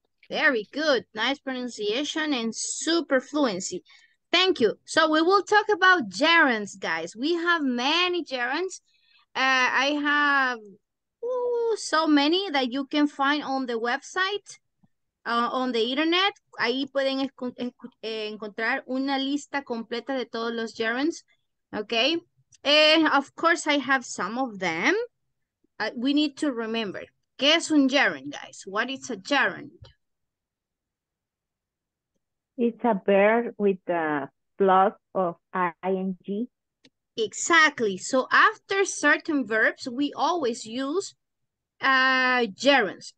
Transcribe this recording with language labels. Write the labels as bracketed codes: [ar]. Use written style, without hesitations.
[en] Very good. Nice pronunciation and super fluency. Thank you. So we will talk about gerunds, guys. We have many gerunds. I have so many that you can find on the website, on the internet. [es] Ahí pueden encontrar una lista completa de todos los gerunds. [en] Okay. And of course, I have some of them. We need to remember. [es] ¿Qué es un gerund, guys? [en] What is a gerund? It's a verb with the plus of ing. Exactly. So after certain verbs, we always use gerunds.